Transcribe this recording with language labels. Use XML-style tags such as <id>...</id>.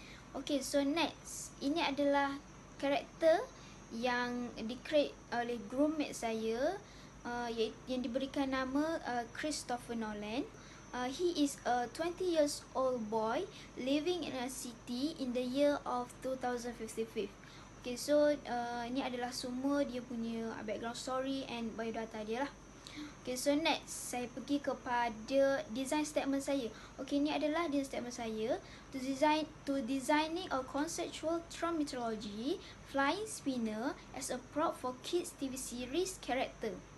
<ms>Okay, so next, ini adalah character yang di-create oleh groommate saya, yang diberikan nama Christopher Nolan.</ms> <en>He is a 20 years old boy living in a city in the year of 2055.</en> <ms>Okay, so ini adalah semua dia punya background story and biodata dia lah. Okay, so next saya pergi kepada design statement saya. Okay, ini adalah design statement saya.</ms> <en>To designing a conceptual Tron mythology flying spinner as a prop for kids TV series character.</en>